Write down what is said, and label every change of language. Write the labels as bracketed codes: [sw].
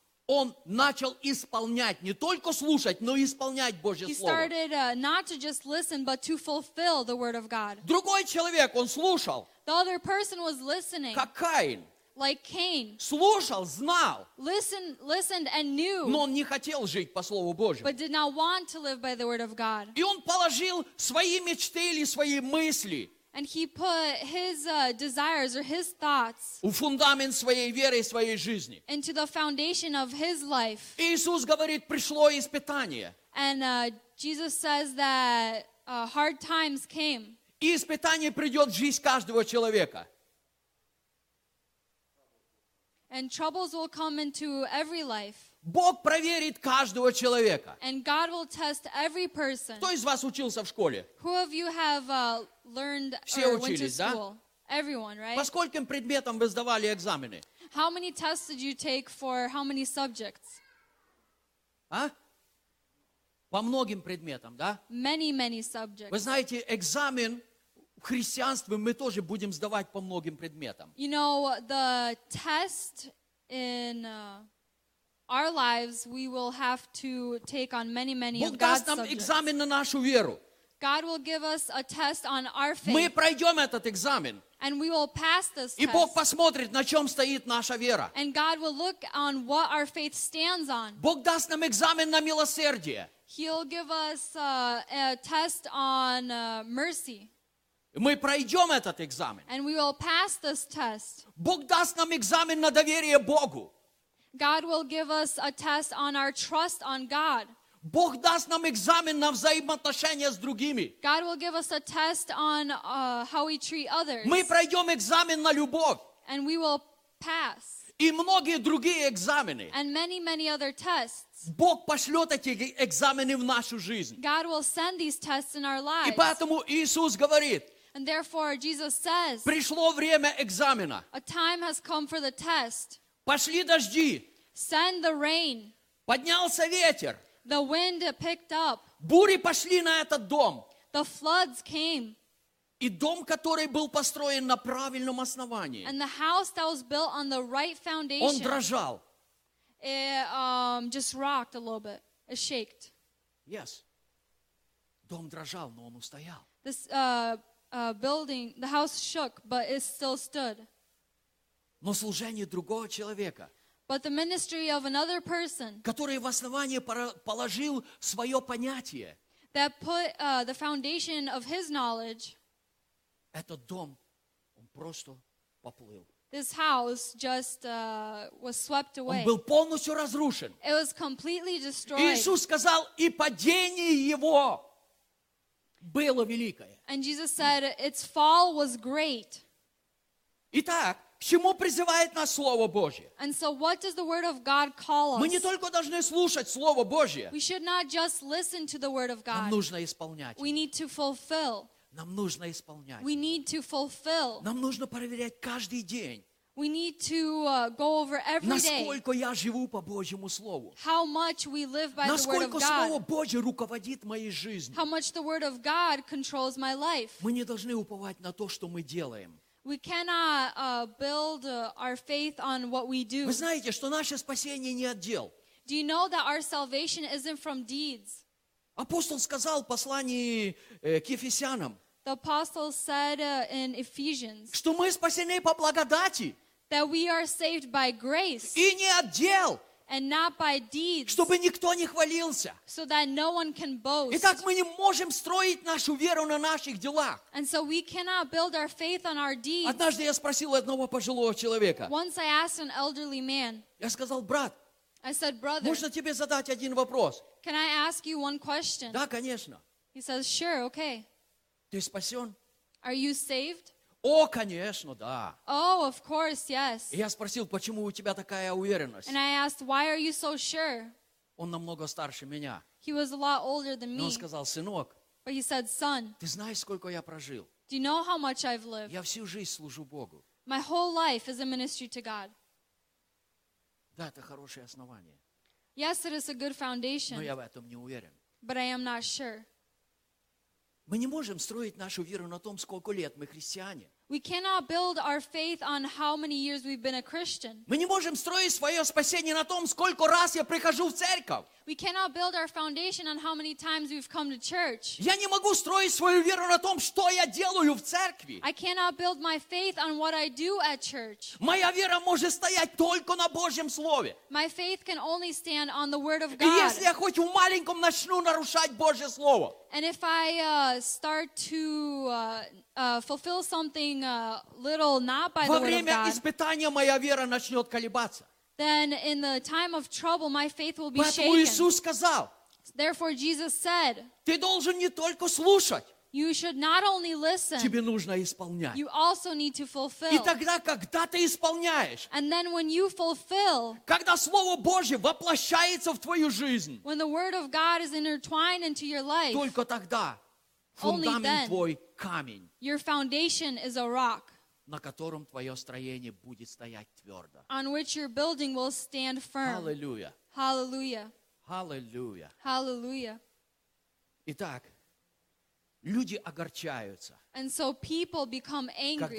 [ru] Он начал исполнять, не только слушать, но и исполнять Божье Слово. [en] He started not to just listen, but to fulfill the word of God. [ru] Другой человек, он слушал. [en] The other person was listening. [ru] Как Каин. [en] Like Cain. [ru] Слушал, знал. [en] Listened and knew. [ru] Но он не хотел жить по Слову Божьему. [en] But did not want to live by the word of God. [ru] И он положил свои мечты или свои мысли. [en] And he put his desires or his thoughts [ru] у фундамент своей веры и своей жизни. [en] Into the foundation of his life. [ru] Иисус говорит, пришло испытание. [en] And Jesus says that hard times came. [ru] И испытание придет в жизнь каждого человека. [en] And troubles will come into every life. [ru] Бог проверит каждого человека. [en] And God will test every person. [ru] Кто из вас учился в школе? [en] Who of you have learned [ru] Все [en] or [ru] учились, [en] went to school? [ru] Да? [en] Everyone, right? [ru] По скольким предметам вы сдавали экзамены? [en] How many tests did you take for how many subjects? [ru] А? По многим предметам, да? [en] Many, many subjects. [ru] Вы знаете, экзамен в христианстве мы тоже будем сдавать по многим предметам. [en] You know, the test in our lives we will have to take on many, many of God's subjects. [ru] Бог даст нам экзамен на нашу веру. [en] God will give us a test on our faith. [ru] Мы пройдем этот экзамен. [en] And we will pass this test. [ru] И Бог посмотрит, на чем стоит наша вера. [en] And God will look on what our faith stands on. [ru] Бог даст нам экзамен на милосердие. [en] He'll give us a test on mercy. [ru] Мы пройдем этот экзамен. [en] And we will pass this test. [ru] Бог даст нам экзамен на доверие Богу. [en] God will give us a test on our trust on God. [ru] Бог даст нам экзамен на взаимоотношения с другими. [en] God will give us a test on how we treat others. [ru] Мы пройдем экзамен на любовь. [en] And we will pass. [ru] И многие другие экзамены. [en] And many, many other tests. [ru] Бог пошлет эти экзамены в нашу жизнь. [en] God will send these tests in our lives. [ru] И поэтому Иисус говорит, [en] And therefore Jesus says, [ru] пришло время экзамена. [en] A time has come for the test. [ru] Пошли дожди. [en] Send the rain. [ru] Поднялся ветер. [en] The wind picked up. [ru] Бури пошли на этот дом. [en] The floods came. [ru] И дом, который был построен на правильном основании, [en] And the house that was built on the right foundation, [ru] он дрожал. [en] It just rocked a little bit. It shaked. Yes. [ru] Дом дрожал, но он устоял. [en] This building, the house shook, but it still stood. [ru] Но служение другого человека, [en] but the ministry of another person, [ru] который в основании положил свое понятие, [en] that put the foundation of his knowledge, [ru] этот дом, он просто поплыл. [en] This house just was swept away. [ru] Он был полностью разрушен. [en] It was completely destroyed. [ru] Иисус сказал, и падение его было великое. [en] And Jesus said, its fall was great. [ru] Итак, к чему призывает нас Слово Божье? [en] And so what does the word of God call us? [ru] Мы не только должны слушать Слово Божье. [en] We should not just listen to the word of God. [ru] Нам нужно исполнять. [en] We need to fulfill. [ru] Нам нужно исполнять. [en] We need to fulfill. [ru] Нам нужно проверять каждый день. [en] We need to go over every [ru] насколько [en] day. [ru] Насколько я живу по Божьему слову. [en] How much we live by [ru] насколько [en] the word of God. [ru] Насколько Слово Божье руководит моей жизнью. [en] How much the word of God controls my life. [ru] Мы не должны уповать на то, что мы делаем. [en] We cannot build our faith on what we do. [ru] Вы знаете, что наше спасение не от дел. [en] Do you know that our salvation isn't from deeds? [ru] Апостол сказал в послании к Ефесянам, [en] The apostle said in Ephesians, [ru] что мы спасены по благодати, [en] that we are saved by grace, [ru] и не от дел, [en] and not by deeds, [ru] чтобы никто не хвалился. [en] So that no one can boast. [ru] Итак, мы не можем строить нашу веру на наших делах. [en] And so we cannot build our faith on our deeds. [ru] Однажды я спросил одного пожилого человека, [en] Once I asked an elderly man, [ru] я сказал, брат, [en] I said, brother, [ru] можно тебе задать один вопрос? [en] Can I ask you one question? [ru] Да, конечно. [en] He says, sure, okay. [ru] Ты спасен? [en] Are you saved? [ru] О, конечно, да. [en] Oh, of course, yes. [ru] И я спросил, почему у тебя такая уверенность? [en] And I asked, why are you so sure? [ru] Он намного старше меня. [en] He was a lot older than me. [ru] Но он сказал, сынок, [en] but he said, son, [ru] ты знаешь, сколько я прожил? [en] Do you know how much I've lived? [ru] Я всю жизнь служу Богу. [en] My whole life is a ministry to God. [ru] Да, это хорошее основание. [en] Yes, it is a good foundation. [ru] Но я в этом не уверен. [en] But I am not sure. [ru] Мы не можем строить нашу веру на том, сколько лет мы христиане. [en] We cannot build our faith on how many years we've been a Christian. [ru] Мы не можем строить свое спасение на том, сколько раз я прихожу в церковь. [en] We cannot build our foundation on how many times we've come to church. [ru] Я не могу строить свою веру на том, что я делаю в церкви. [en] I cannot build my faith on what I do at church. [ru] Моя вера может стоять только на Божьем слове. [en] My faith can only stand on the word of God. [ru] И если я хоть в маленьком начну нарушать Божье слово. [en] And if I start to fulfill something little not by the word of God. [ru] Во время испытания моя вера начнет колебаться. [en] Then in the time of trouble, my faith will be shaken. [ru] Поэтому Иисус сказал, [en] therefore Jesus said, [ru] ты должен не только слушать, [en] you should not only listen, [ru] тебе нужно исполнять. [en] You also need to fulfill. [ru] И тогда, когда ты исполняешь, [en] and then when you fulfill, [ru] когда Слово Божье воплощается в твою жизнь, [en] when the word of God is intertwined into your life, [ru] только тогда фундамент твой камень, [en] your foundation is a rock, [ru] на котором твое строение будет стоять твердо. [en] On which your building will stand firm. [ru] Аллилуйя. Аллилуйя. Аллилуйя. Аллилуйя. Итак, люди огорчаются. And so people become angry.